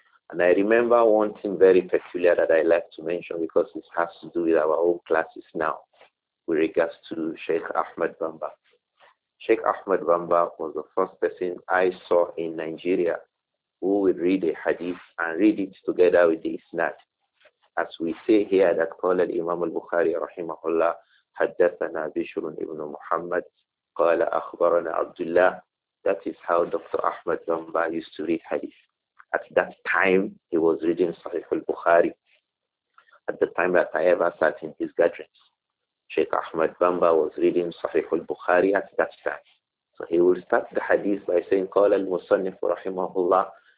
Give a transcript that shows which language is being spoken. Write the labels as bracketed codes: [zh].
[en] And I remember one thing very peculiar that I like to mention, because this has to do with our own classes now, with regards to Sheikh Ahmed Bamba. Sheikh Ahmed Bamba was the first person I saw in Nigeria who would read a hadith and read it together with the isnad. As we say here, that [ar] قال الإمام البخاري رحمه الله حدثنا بشر ابن محمد قال أخبرنا عبد الله. [en] That is how Dr. Ahmed Bamba used to read hadith. At that time, he was reading Sahih al-Bukhari. At the time that I ever sat in his gatherings, Sheikh Ahmed Bamba was reading Sahih al-Bukhari at that time. So he will start the hadith by saying [ar] قال المصنف رحمه الله.